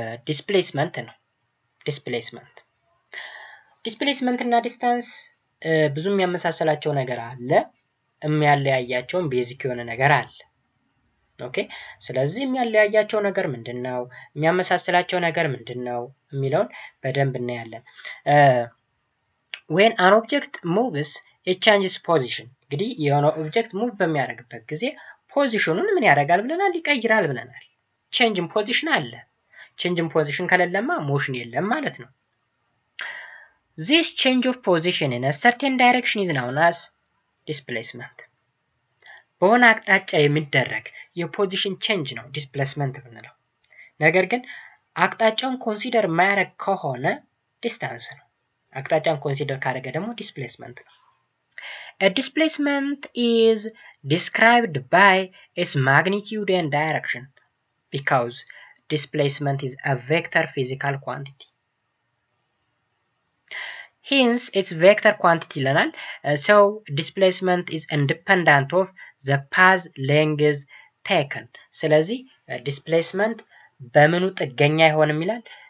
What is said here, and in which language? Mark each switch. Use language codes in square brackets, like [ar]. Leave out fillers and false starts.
[am] ዲስፕሌስመንት ነው። ዲስፕሌስመንት ዲስፕሌስመንት እና ዲስታንስ ብዙም ያመሳሰላቸው ነገር አለ። የሚያለያያቸውን ቤዚክ የሆነ ነገር አለ። ኦኬ ስለዚህ የሚያለያያቸው ነገር ምንድነው? የሚያመሳሰላቸው ነገር ምንድነው? የሚለውን በደንብ እናያለን። [en] When an object moves, it changes position. [am] እንግዲህ የሆነ object move በሚያደርግበት ጊዜ ፖዚሽኑን ምን ያደርጋል ብለናል? ይቀይራል ብለናል። [en] Change in position አለ። Change in position [am] ከሌለማ motion የለም ማለት ነው። [en] This change of position in a certain direction is known as displacement. [am] በሆነ አቅጣጫ የሚደረግ የፖዚሽን ቼንጅ ነው ዲስፕሌስመንት ብንለው። ነገር ግን አቅጣጫውን ኮንሲደር ማድረግ ከሆነ ዲስታንስ ነው። አቅጣጫውን ኮንሲደር ካደረገ ደግሞ ዲስፕሌስመንት ነው። [en] A displacement is described by its magnitude and direction because displacement is a vector physical quantity. Hence, its vector quantity ይለናል. So, displacement is independent of the path length taken. [am] ስለዚህ displacement በምኑ ጥገኛ አይሆንም ይላል?